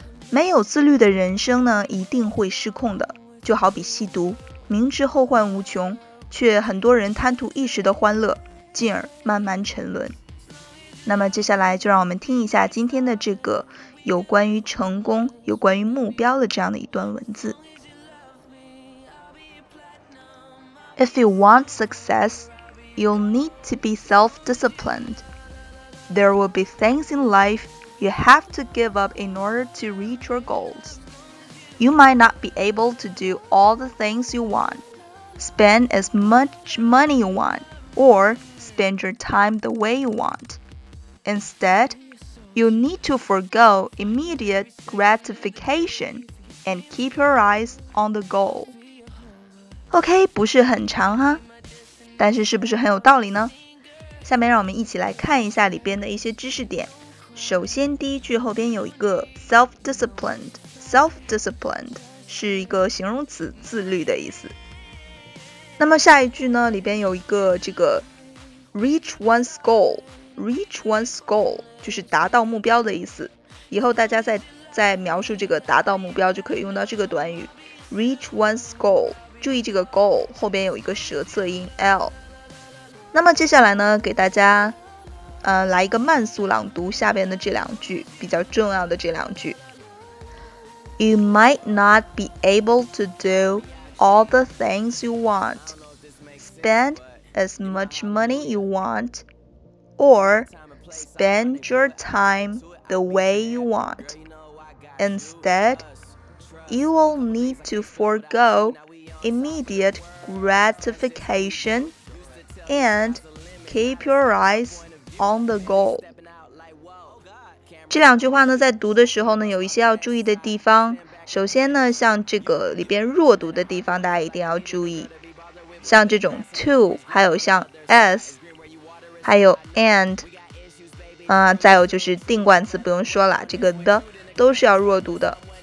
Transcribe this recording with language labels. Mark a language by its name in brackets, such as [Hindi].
[Chinese] 没有自律的人生呢，一定会失控的，就好比吸毒，明知后患无穷，却很多人贪图一时的欢乐，进而慢慢沉沦。那么接下来就让我们听一下今天的这个有关于成功、有关于目标的这样的一段文字。 [English] If you want success, you'll need to be self-disciplined. There will be things in life you have to give up in order to reach your goals. You might not be able to do all the things you want, spend as much money you want, or spend your time the way you want. Instead, you'll need to forgo immediate gratification and keep your eyes on the goal. [Chinese] OK， 不是很长哈，但是是不是很有道理呢？下面让我们一起来看一下里边的一些知识点。首先第一句后边有一个 self-disciplined 是一个形容词，自律的意思。那么下一句呢，里边有一个这个 reach one's goal 就是达到目标的意思。以后大家在描述这个达到目标就可以用到这个短语 reach one's goal。注意这个 goal 后边有一个舌侧音 L。那么接下来呢，给大家来一个慢速朗读下边的这两句，比较重要的这两句。 [English] You might not be able to do all the things you want, spend as much money you want, or spend your time the way you want. Instead, you will need to forgoimmediate gratification and keep your eyes on the goal. [Chinese] 这两句话呢，在读的时候呢，有一些要注意的地方。首先呢，像这个里边弱读的地方，大家一定要注意。像这种 to， 还有像 as， 还有 and， 再有就是定冠词不用说了，这个 the 都是要弱读的。